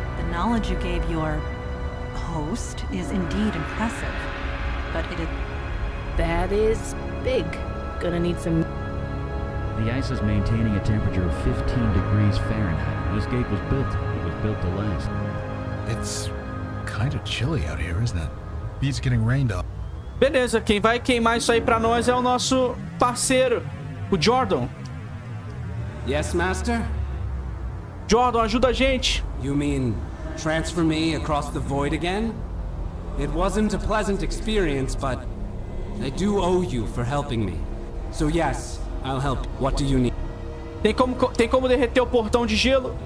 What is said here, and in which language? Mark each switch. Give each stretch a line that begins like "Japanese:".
English: The knowledge you gave your host is indeed impressive. But it is. That is big. Gonna need some. The ice is maintaining a temperature of 15 degrees Fahrenheit. This gate was built. It was built to last. It's kind of chilly out here, isn't it? Beats getting rained up.
Portuguese: Beleza, quem vai queimar isso aí pra nós é o nosso parceiro, o Jordan.
English: Yes, master?
Portuguese: Jordan, ajuda a gente.
English: You mean transfer me across the void again? It wasn't a pleasant experience, but I do owe you for helping me. So yes, I'll help. What do you need?
Portuguese: Tem como derreter o portão de gelo?